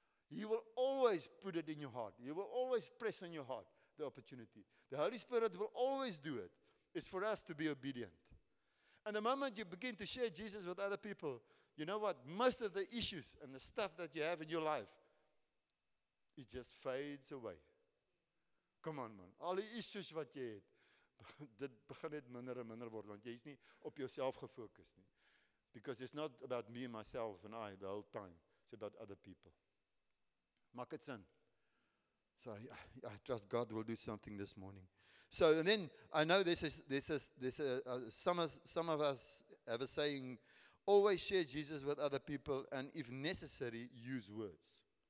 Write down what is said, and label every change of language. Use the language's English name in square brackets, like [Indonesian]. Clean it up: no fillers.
[English] He will always put it in your heart. He will always press on your heart the opportunity. The Holy Spirit will always do it. It's for us to be obedient. And the moment you begin to share Jesus with other people, you know what? Most of the issues and the stuff that you have in your life, it just fades away. Come on, man. [Afrikaans] All die issues wat jy het, dit begin net minder en minder word, want jy is nie op jouself gefokus nie. [English] Because it's not about me, myself and I the whole time. It's about other people. [Afrikaans] Maak het sin. [English] So I trust God will do something this morning. So and then I know some of us have a saying, always share Jesus with other people and if necessary, use words.